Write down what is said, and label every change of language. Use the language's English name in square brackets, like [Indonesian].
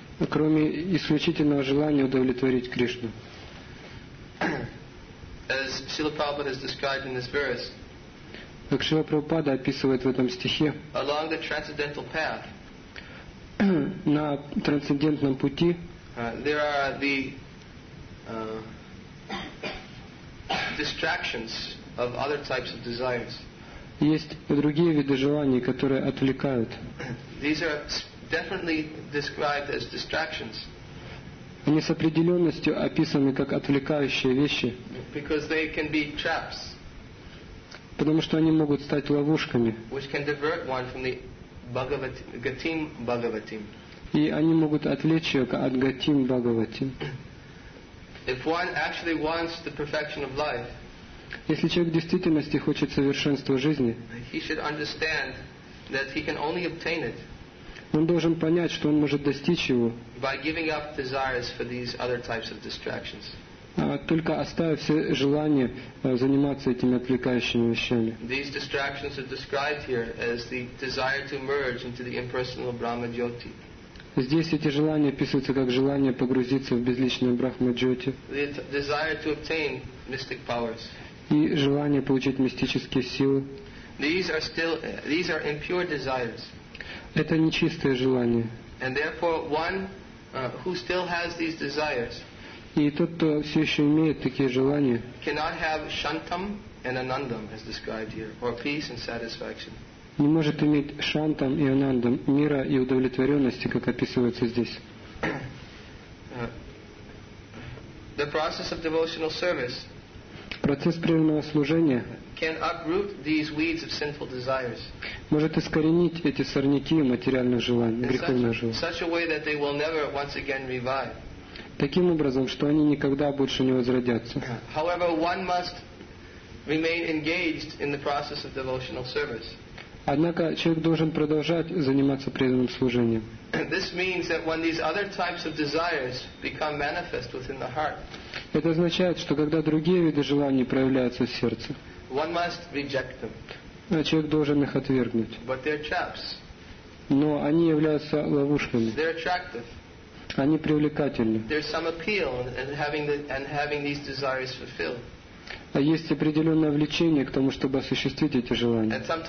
[Russian] Кроме исключительного желания удовлетворить Кришну. [English] As Srila Prabhupada has described in this verse, [Russian] как Шрила Прабхупада описывает в этом стихе, [English] along the transcendental path, [Russian] на трансцендентном пути, [English] there are the distractions of other types of desires. [Russian] Есть другие виды желаний, которые отвлекают. [English] These are definitely described as distractions. [Russian] Они с определенностью описаны как отвлекающие вещи. [English] Because they can be traps. [Russian] Потому что они могут стать ловушками. [English] Which can divert one from the Gatim Bhagavatim. [Russian] И они могут отвлечь ее от Gatim Bhagavatim. [English] If one actually wants the perfection of life, [Russian] если человек в действительности хочет совершенства жизни, [English] he should understand that he can only obtain it, [Russian] он должен понять, что он может достичь его, [English] by giving up desires for these other types of distractions. [Russian] Только оставив все желания заниматься этими отвлекающими вещами. [English] These distractions are described here as the desire to merge into the impersonal Brahma Jyoti. [Russian] Здесь эти желания описываются как желание погрузиться в безличное брахма-джоти. [English] Desire to obtain mystic powers. [Russian] И желание получить мистические силы. [English] These are impure desires. [Russian] Это нечистое желание. [English] And therefore, one who still has these desires. [Russian] И тот, кто все еще имеет такие желания, [English] cannot have shantam and anandam, as described here, or peace and satisfaction. [Russian] Не может иметь шантам и анандам, мира и удовлетворенности, как описывается здесь. [English] The process of devotional service. [Russian] Процесс преданного служения [English] can uproot these weeds of sinful desires. [Russian] Может искоренить эти сорняки материальных желаний, греховных желаний. [English] Such a way that they will never once again revive. [Russian] Таким образом, что они никогда больше не возродятся. [English] However, one must remain engaged in the process of devotional service. [Russian] Однако человек должен продолжать заниматься преданным служением. [English] This means that when these other types of desires become manifest within the heart. [Russian] Это означает, что когда другие виды желаний проявляются в сердце, [English] one must reject them. [Russian] Человек должен их отвергнуть. [English] But they're traps. [Russian] Но они являются ловушками. [English] They're attractive. [Russian] Они привлекательны. [English] There's some appeal in having these desires fulfilled. [Russian] А есть определенное влечение к тому, чтобы осуществить эти желания.